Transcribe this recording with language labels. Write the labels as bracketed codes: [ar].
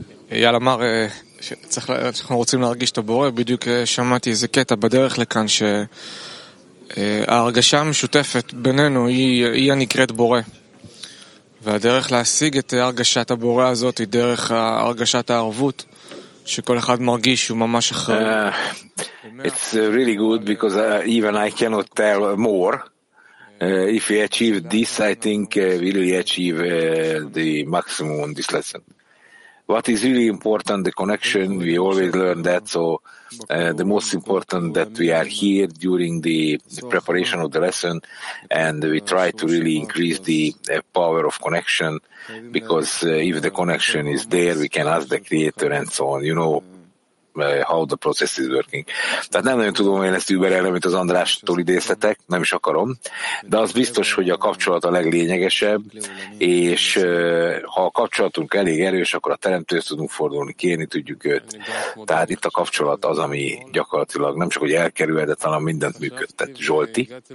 [he] אייל אמר שאנחנו רוצים להרגיש את הבורא, בדיוק שמעתי איזה קטע בדרך לכאן, שההרגשה המשותפת בינינו היא הנקראת בורא. והדרך להשיג את הרגשת הבורא הזאת היא דרך הרגשת הערבות שכל אחד מרגיש הוא ממש אחר. [en] It's really good because even I cannot tell more. If we achieve this, I think we really achieve the maximum in this lesson. What is really important, the connection, we always learn that, so the most important that we are here during the preparation of the lesson, and we try to really increase the power of connection, because if the connection is there, we can ask the Creator and so on, you know, how the process is working. [hu] Tehát nem nagyon tudom én ezt überelni, amit az Andrástól idéztetek, nem is akarom, de az biztos, hogy a kapcsolat a leglényegesebb, és ha a kapcsolatunk elég erős, akkor a teremtőt tudunk fordulni, kérni tudjuk őt. Tehát itt a kapcsolat az, ami gyakorlatilag nem csak hogy elkerülhetett, hanem mindent működtet. Zsolti.